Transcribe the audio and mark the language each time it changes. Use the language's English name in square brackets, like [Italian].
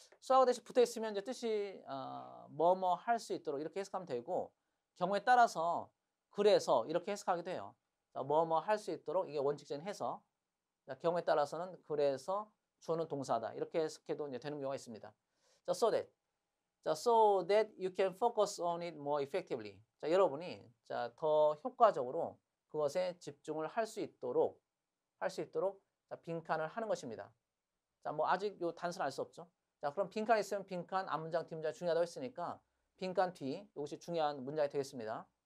[Korean] So 대신 붙어 있으면 이제 뜻이 뭐뭐 할수 있도록 이렇게 해석하면 되고, 경우에 따라서 그래서 이렇게 해석하게 돼요. 자, 뭐뭐 할수 있도록, 이게 원칙적인 해석. 자, 경우에 따라서는 그래서 주어는 동사다 이렇게 해석해도 이제 되는 경우가 있습니다. [English] 자, so that. 자, so that you can focus on it more effectively. [Korean] 자, 여러분이 자, 더 효과적으로 그것에 집중을 할수 있도록 자, 빈칸을 하는 것입니다. 자, 뭐 아직 요 단서는 알수 없죠. 자, 그럼 빈칸 있으면 빈칸 앞 문장 뒷 문장 중요하다고 했으니까 빈칸 뒤 이것이 중요한 문장이 되겠습니다.